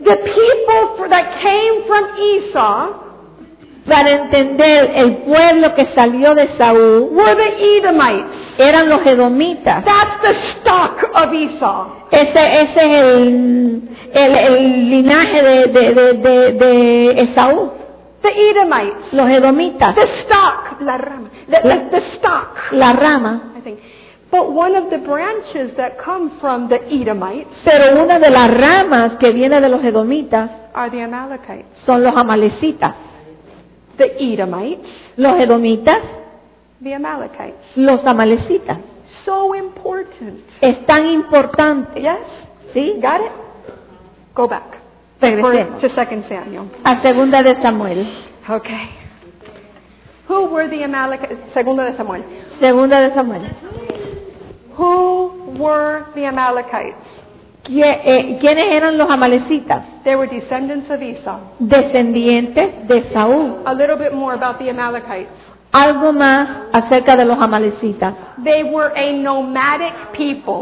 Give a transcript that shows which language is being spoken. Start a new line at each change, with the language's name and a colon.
English: The people that came from Esau,
Spanish: para entender el pueblo que salió de Saúl,
English: were the Edomites.
Spanish: Eran los edomitas.
English: That's the stock of Esau.
Spanish: Ese es el linaje de Esaú.
English: The Edomites.
Spanish: Los edomitas.
English: The stock,
Spanish: la rama.
English: The stock.
Spanish: La rama.
English: I think. But one of the branches that come from the Edomites.
Spanish: Pero una de las ramas que viene de los edomitas.
English: Are the Amalekites.
Spanish: Son los amalecitas.
English: The Edomites.
Spanish: Los edomitas.
English: The Amalekites.
Spanish: Los amalecitas.
English: So important.
Spanish: Es tan importante.
English: Yes.
Spanish: Sí.
English: Got it. Go back.
Spanish: Regresemos. A Segunda de Samuel.
English: Okay. Who were the Amalekites?
Spanish: Segunda de Samuel. Segunda de Samuel.
English: Who were the Amalekites?
Spanish: ¿Quiénes eran los amalecitas?
English: They were descendants of Esau.
Spanish: Descendientes de Saúl.
English: A little bit more about the Amalekites.
Spanish: Algo más acerca de los amalecitas.
English: They were a nomadic people.